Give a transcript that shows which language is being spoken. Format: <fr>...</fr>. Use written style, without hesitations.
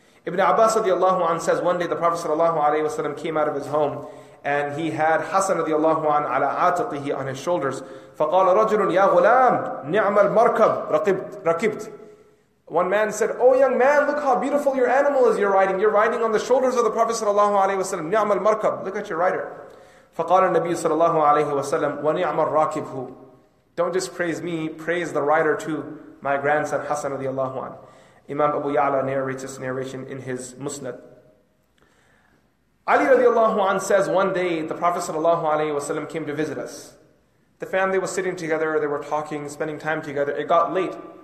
<en>Ibn Abbas radiallahu anhu says, one day the Prophet sallallahu alaihi wasallam came out of his home and he had Hassan radiallahu anhu</en> <ar>ala atiqihi</ar> <en>on his shoulders.</en> <ar>فَقَالَ رَجُلٌ يَا غُلَامٌ نِعْمَ الْمَرْكَبُ رَكِبْتُ.</ar> <en>One man said, oh young man, look how beautiful your animal is you're riding. You're riding on the shoulders of the Prophet sallallahu alaihi wasallam.</en> <ar>نِعْمَ الْمَرْكَبُ.</ar> <en>Look at your rider.</en> <ar>فَقَالَ النَّبِيُّ sallallahu alaihi wasallam وَنِعْمَ الْرَاكِبُهُ.</ar> <en>Don't just praise me, praise the rider too, my grandson Hassan radiallahu anhu. Imam Abu Ya'la narrates this narration in his Musnad. Ali radiallahu anhu says, one day the Prophet sallallahu alaihi wasallam came to visit us. The family was sitting together, they were talking, spending time together. It got late.</en>